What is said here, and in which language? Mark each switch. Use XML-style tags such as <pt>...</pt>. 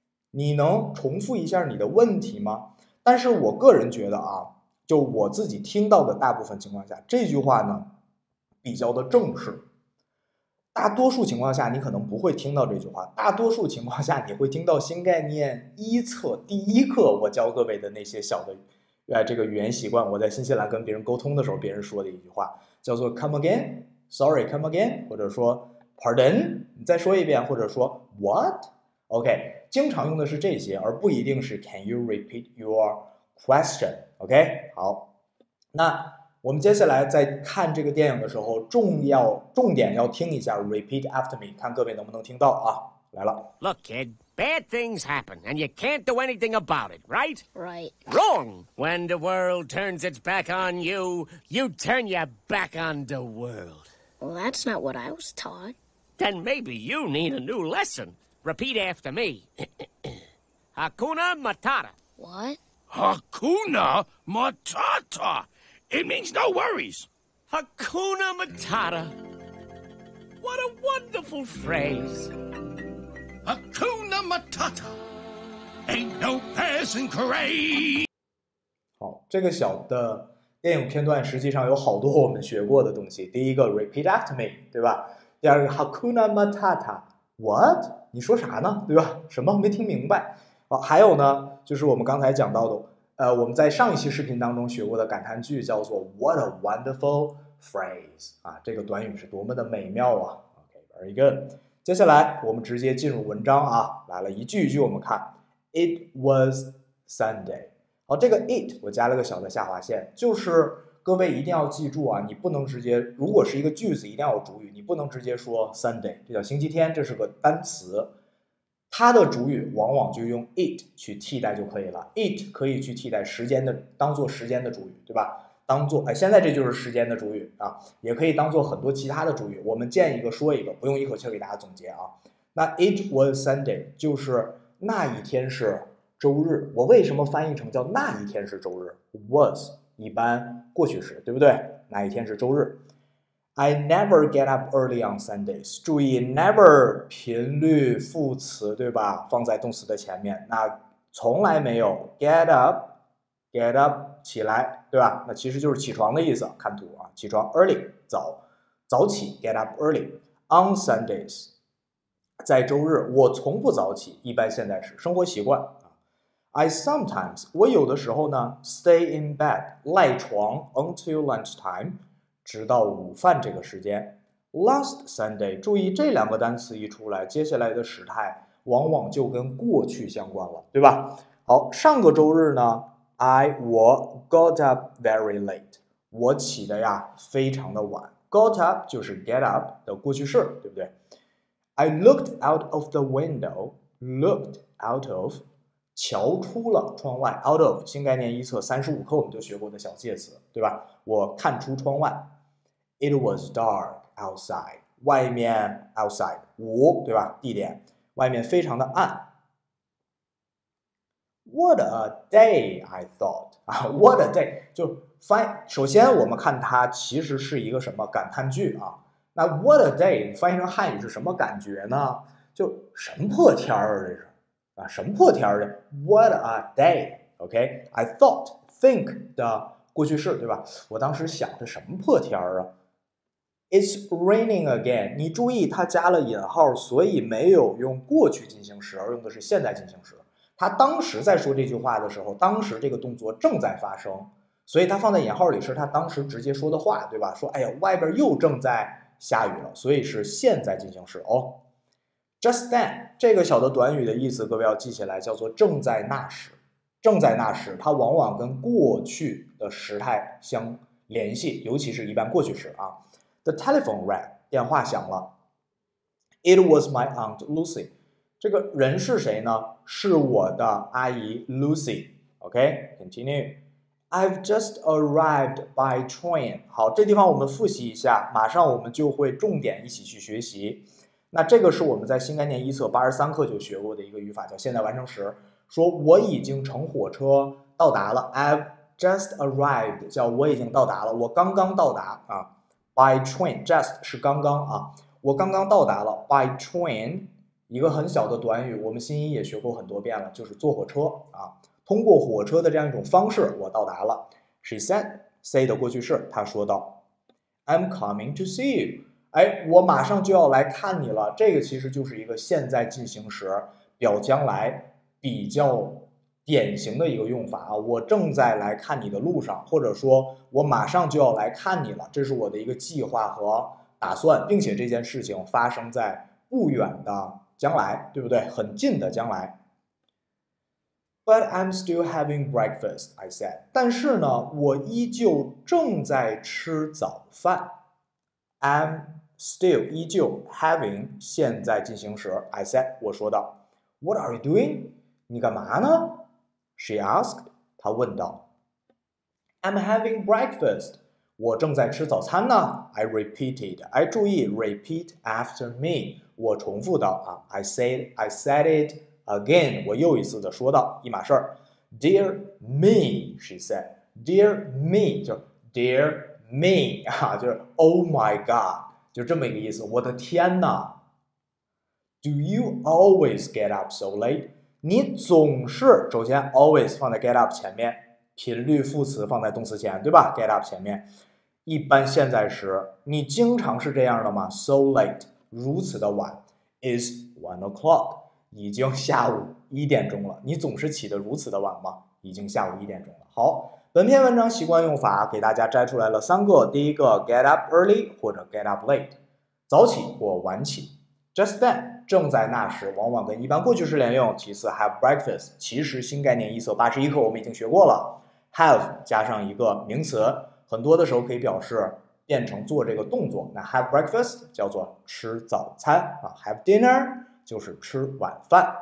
<zh>你能重复一下你的问题吗？但是我个人觉得啊，就我自己听到的大部分情况下，这句话呢比较的正式，大多数情况下你可能不会听到这句话，大多数情况下你会听到新概念一册第一课我教各位的那些小的这个语言习惯，我在新西兰跟别人沟通的时候别人说的一句话，叫做</zh> <en>come again, sorry, come again,</en> <zh>或者说 pardon, 你再说一遍，或者说</zh> <en>what?</en> <zh>OK, 经常用的是这些，而不一定是</zh> <en>can you repeat your question?</en> <zh>OK, 好，那我们接下来在看这个电影的时候重点要听一下</zh> <en>repeat after me,</en> <zh>看各位能不能听到啊。来了，</zh> <en>Look kid,Bad things happen, and you can't do anything about it, right? Right. Wrong! When the world turns its back on you, you turn your back on the world. Well, that's not what I was taught. Then maybe you need a new lesson. Repeat after me. Hakuna Matata. What? Hakuna Matata! It means no worries. Hakuna Matata. What a wonderful phrase. Hakuna Matata, ain't no peasant parade.</en> <zh>好，这个小的电影片段实际上有好多我们学过的东西。第一个</zh> <en>repeat after me,</en> <zh>对吧？ 第二个 Hakuna Matata, what? 你说啥呢？对吧？什么没听明白？好，还有呢，就是我们刚才讲到的，我们在上一期视频当中学过的感叹句叫做</zh> <en>What a wonderful phrase,</en> <zh>啊，这个短语是多么的美妙啊。</zh> <en>Okay, very good.</en> <zh>接下来我们直接进入文章啊，来了一句一句我们看。</zh> <en>It was Sunday。</en> <zh>好，这个 it 我加了个小的下划线，就是各位一定要记住啊，你不能直接，如果是一个句子一定要有主语，你不能直接说 Sunday, 这叫星期天，这是个单词，它的主语往往就用 it 去替代就可以了。 it 可以去替代时间的，当做时间的主语，对吧？当做现在这就是时间的主语啊，也可以当做很多其他的主语，我们见一个说一个，不用一口气给大家总结啊。那</zh> <en>it was Sunday</en> <zh>就是那一天是周日。我为什么翻译成叫那一天是周日？was 一般过去时，对不对？那一天是周日。</zh> <en>I never get up early on Sundays, 注意 never</en> <zh>频率副词，对吧？放在动词的前面，那从来没有 get up 起来，对吧？那其实就是起床的意思，看图啊，起床 early 早起</zh> <en>get up early on Sundays,</en> <zh>在周日我从不早起，一般现在是生活习惯。</zh> <en>I sometimes</en> <zh>我有的时候呢</zh> <en>stay in bed 赖床 until lunchtime</en> <zh>直到午饭这个时间。 last Sunday 注意这两个单词一出来，接下来的时态往往就跟过去相关了，对吧？好，上个周日呢，</zh> <en>I got up very late,</en> <zh>我起的呀非常的晚。</zh> <en>Got up 就是 get up</en> <zh>的过去式，对不对？</zh> <en>I looked out of the window, looked out of,</en> <zh>瞧出了窗外，</zh> <en>out of,</en> <zh>新概念一册35课我们就学过的小介词，对吧？我看出窗外。</zh> <en>It was dark outside, 外面 outside,</en> <zh>午，对吧？地点，外面非常的暗。</zh> <en>What a day, I thought. What a day.</en> <zh>就 fine, 首先我们看它其实是一个什么感叹句啊。那 what a day, 翻译成汉语是什么感觉呢？就什么破天儿这是。啊，什么破天儿的 ?</zh> <en>What a day, OK? I thought,</en> <zh>think 的过去式，对吧？我当时想着什么破天儿啊。</zh> <en>It's raining again.</en> <zh>你注意它加了引号，所以没有用过去进行时，而用的是现在进行时。他当时在说这句话的时候，当时这个动作正在发生，所以他放在引号里是他当时直接说的话，对吧？说哎呀，外边又正在下雨了，所以是现在进行时哦。 Just then 这个小的短语的意思，各位要记起来，叫做正在那时。正在那时，它往往跟过去的时态相联系，尤其是一般过去时啊。</zh> <en>The telephone rang，</en> <zh>电话响了。</zh> <en>It was my aunt Lucy。</en> <zh>这个人是谁呢？是我的阿姨 Lucy。</zh> <en>OK, continue. I've just arrived by train.</en> <zh>好，这地方我们复习一下，马上我们就会重点一起去学习。那这个是我们在新概念一册83课就学过的一个语法，叫现在完成时，说我已经乘火车到达了。</zh> <en>I've just arrived</en> <zh>叫我已经到达了，我刚刚到达啊。 By train, just 是刚刚啊，我刚刚到达了。 By train,一个很小的短语，我们新一也学过很多遍了，就是坐火车啊，通过火车的这样一种方式我到达了。</zh> <en>She said,</en> <zh>say 的过去式，她说道。</zh> <en>I'm coming to see you.</en> <zh>哎，我马上就要来看你了。这个其实就是一个现在进行时表将来比较典型的一个用法啊，我正在来看你的路上，或者说我马上就要来看你了，这是我的一个计划和打算，并且这件事情发生在不远的将来，对不对？很近的将来。</zh> <en>But I'm still having breakfast, I said.</en> <zh>但是呢，我依旧正在吃早饭。</zh> <en>I'm still, 依旧 having,</en> <zh>现在进行时，</zh> <en>I said,</en> <zh>我说道。</zh> <en>What are you doing?</en> <zh>你干嘛呢？</zh> <en>She asked,</en> <zh>她问道。</zh> <en>I'm having breakfast,</en> <zh>我正在吃早餐呢。 I repeated, 哎，注意</zh> <en>repeat after me,</en> <zh>我重复道啊。</zh> <en>I said it again,</en> <zh>我又一次的说道，一码事儿。</zh> <en>Dear me, she said. Dear me, 就 Dear me, 啊，就是 Oh my God,</en> <zh>就这么一个意思，我的天哪。</zh> <en>Do you always get up so late?</en> <zh>你总是，首先 always 放在 get up 前面，频率副词放在动词前，对吧？ get up 前面，一般现在时，你经常是这样的吗？ so late,如此的晚。</zh> <en>Is 1 o'clock,</en> <zh>已经下午1点钟了，你总是起得如此的晚吗？已经下午1点钟了。好，本篇文章习惯用法给大家摘出来了3个。第一个</zh> <en>get up early</en> <zh>或者</zh> <en>get up late,</en> <zh>早起或晚起。 just then, 正在那时，往往跟一般过去式连用。其次 have breakfast, 其实新概念一册81课我们已经学过了。 have 加上一个名词，很多的时候可以表示变成做这个动作，那</zh> <en>have breakfast</en> <zh>叫做吃早餐啊，</zh> <en>have dinner</en> <zh>就是吃晚饭。</zh>